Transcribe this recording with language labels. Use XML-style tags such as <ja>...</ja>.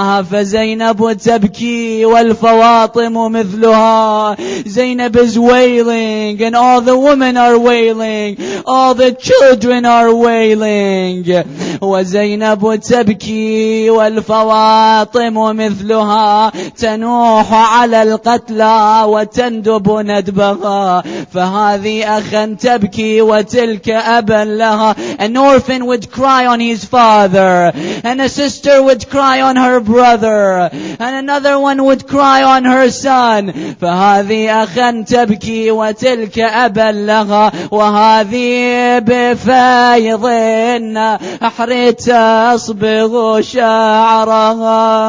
<ar>فزينب تبكي والفواطم مثلها.</ar> <en>Zainab is wailing and all the women are wailing. All the children are wailing.</en> <ar>وزينب تبكي والفواطم مثلها تنوح على القتلى وتندب ندبها. فهذه أخا تبكي وتلك أبا لها.</ar> <en>An orphan would cry on his father, and a sister would cry on her brother, and another one would cry on her son.</en> <ar>فهذه أخا تبكي وتلك أبا لها وهذه بفيض أحرت أصبغ شعرها.</ar>